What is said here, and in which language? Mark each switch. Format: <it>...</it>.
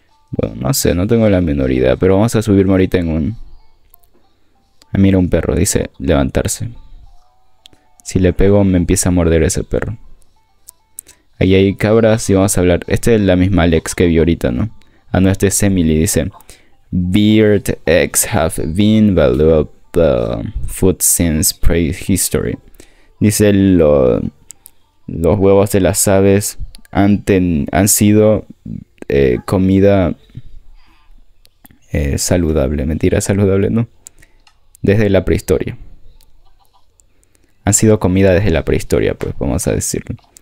<es>Bueno, no sé, no tengo la menor idea. Pero vamos a subirme ahorita en un... Ah, mira, un perro. Dice levantarse. Si le pego, me empieza a morder ese perro. Ahí hay cabras y vamos a hablar. Este es la misma Alex que vi ahorita, ¿no? Ah, no, este es Emily. Dice:</es> <en>Beard eggs have been valuable food since prehistory.</en> <es>Dice: los huevos de las aves han sido comida saludable. Mentira, saludable, ¿no? Desde la prehistoria. Han sido comida desde la prehistoria, pues vamos a decirlo.</es>